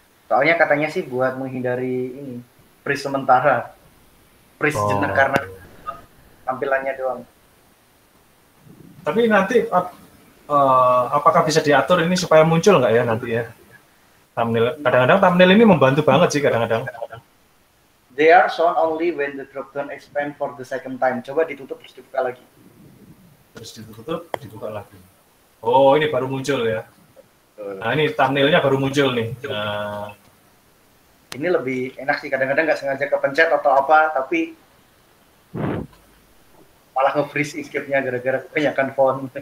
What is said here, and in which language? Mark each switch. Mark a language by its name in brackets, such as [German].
[Indonesian] Soalnya katanya sih buat menghindari ini, freeze sementara. Freeze jenak karena tampilannya doang. Tapi nanti apakah bisa diatur ini supaya muncul nggak ya nanti ya? Thumbnail, kadang-kadang thumbnail ini membantu banget sih kadang-kadang. [English] They are shown only when the dropdown expand for the second time. [Indonesian] Coba ditutup terus dibuka lagi. Terus ditutup, dibuka lagi. Oh, ini baru muncul ya. Nah, ini thumbnail-nya baru muncul nih. Ini lebih enak sih. Kadang-kadang nggak sengaja kepencet atau apa, tapi malah nge-freeze escape-nya gara-gara kebanyakan font.